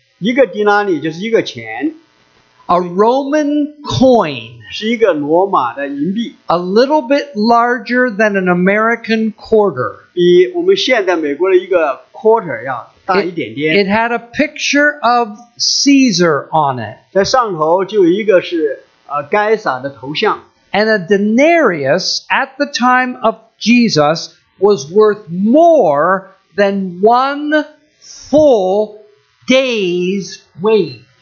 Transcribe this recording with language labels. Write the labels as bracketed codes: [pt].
[zh] 一个迪拉利就是一个钱, [en] a Roman coin. [zh] 是一个罗马的银币, [en] a little bit larger than an American quarter. [zh] 比我们现在美国的一个quarter要大一点点, [en] it had a picture of Caesar on it. [zh] 在上头就有一个是该撒的头像, [en] and a denarius at the time of Jesus was worth more than 1 full day's wage.